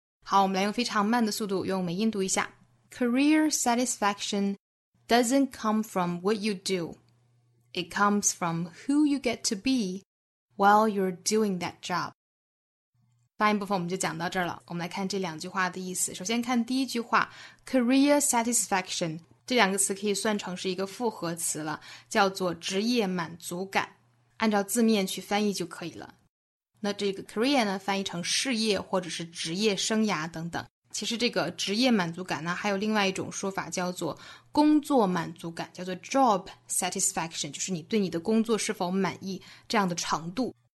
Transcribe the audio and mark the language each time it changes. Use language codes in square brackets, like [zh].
[zh] 好我们来用非常慢的速度用美音读一下。 [en] Career satisfaction doesn't come from what you do. It comes from who you get to be while you're doing that job. [zh] 发音部分我们就讲到这儿了。我们来看这两句话的意思。首先看第一句话 ,career satisfaction,这两个词可以算成是一个复合词了叫做职业满足感按照字面去翻译就可以了那这个 career 呢翻译成事业或者是职业生涯等等其实这个职业满足感呢还有另外一种说法叫做工作满足感叫做 job satisfaction 就是你对你的工作是否满意这样的程度